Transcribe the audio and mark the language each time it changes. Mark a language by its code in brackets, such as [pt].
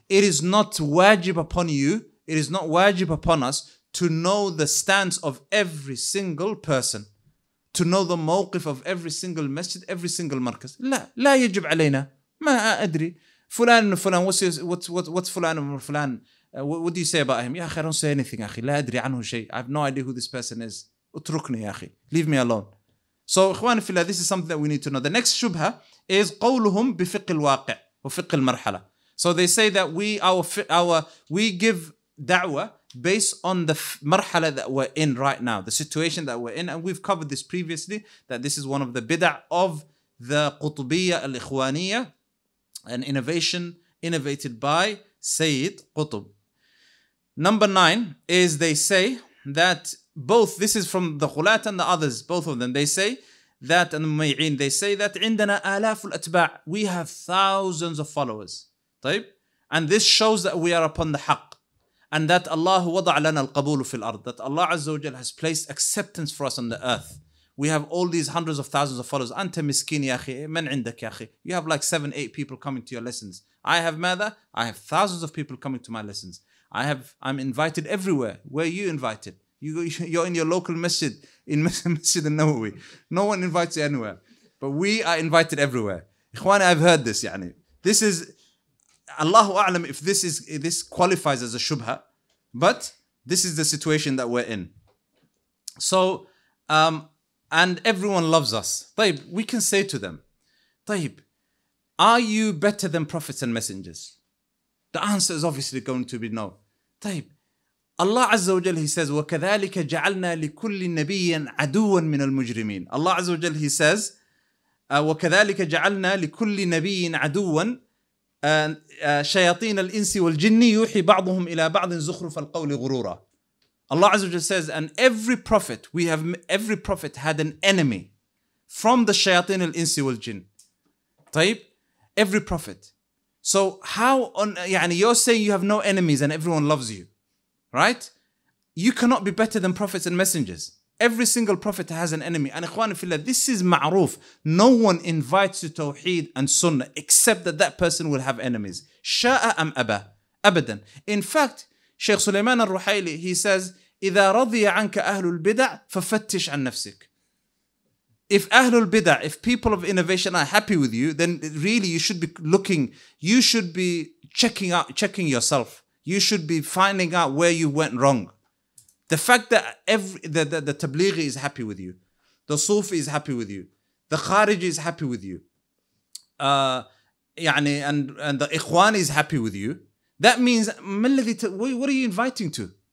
[en] It is not wajib upon you, it is not wajib upon us to know the stance of every single person, to know the موقف of every single masjid, every single مركز. [ar] لا, لا يجب علينا. ما أدري فلان فلان, [en] what's فلان فلان, what do you say about him? [ar] يا أخي, [en] I don't say anything, أخي. [ar] لا أدري عنه شيء. [en] I have no idea who this person is. [ar] اتركني يا أخي. [en] Leave me alone. So, [ar] إخواني في الله, [en] this is something that we need to know. The next [ar] شبهة is قولهم بفقه الواقع وفقه المرحلة. [en] So they say that we give دعوة based on the مرحلة that we're in right now, the situation that we're in, and we've covered this previously, that this is one of the بدع of the قطبية الإخوانية, an innovation innovated by Sayyid Qutb. Number 9 is they say that both, this is from the Qulat and the others, both of them, they say that, and the Mumayyin, they say that [ar] عندنا آلاف الأتباع, [en] we have thousands of followers. طيب, and this shows that we are upon the haq, and that Allah [ar] وضع لنا القبول في الأرض, [en] that Allah Azza wa Jalla has placed acceptance for us on the earth. We have all these hundreds of thousands of followers. [ar] أنت مسكين يا أخي, من عندك يا أخي. [en] You have like 7-8 people coming to your lessons. I have ماذا? I have thousands of people coming to my lessons. I'm invited everywhere. Where are you invited? You're in your local masjid, in Masjid al-Nawawi. No one invites you anywhere, but we are invited everywhere. إخواني, I've heard this. [ar] يعني. [en] This is, [ar] الله أعلم [en] if this qualifies as a شبهة, but this is the situation that we're in. So, and everyone loves us. طيب, we can say to them, طيب, are you better than prophets and messengers? The answer is obviously going to be no. [ar] طيب, Allah Azza wa Jalla, [en] he says, [ar] وَكَذَلِكَ جَعَلْنَا لِكُلِّ نَبِيٍّ عَدُوًا مِنَ الْمُجْرِمِينَ. Allah Azza wa Jalla, [en] he says, [ar] وَكَذَلِكَ جَعَلْنَا لِكُلِّ نَبِيٍّ عَدُوًا شَيَاطِينَ الْإِنسِ وَالْجِنِّ يُوحِي بَعْضُهُمْ إِلَى بَعْضٍ زُخْرُفَ الْقَوْلِ غُرُورًا. [en] Allah Azza wa Jalla says, and every prophet had an enemy from the shayateen al-insi wal-jinn. طيب, every prophet. So how on, يعني you're saying you have no enemies and everyone loves you, right? You cannot be better than prophets and messengers. Every single prophet has an enemy. And [ar] إخواني في الله, [en] this is معروف. No one invites to tawheed and sunnah except that that person will have enemies. [ar] شاء أم أبا, أبدا. [en] In fact, Shaykh Sulaiman al-Ruhayli, he says, [ar] إذا رضي عنك أهل البدع ففتش عن نفسك. [en] If أهل البدع, if people of innovation are happy with you, then really you should be looking, you should be checking yourself. You should be finding out where you went wrong. The fact that the tablighi is happy with you, the sufi is happy with you, the khariji is happy with you, and the ikhwan is happy with you, that means, what are you inviting to?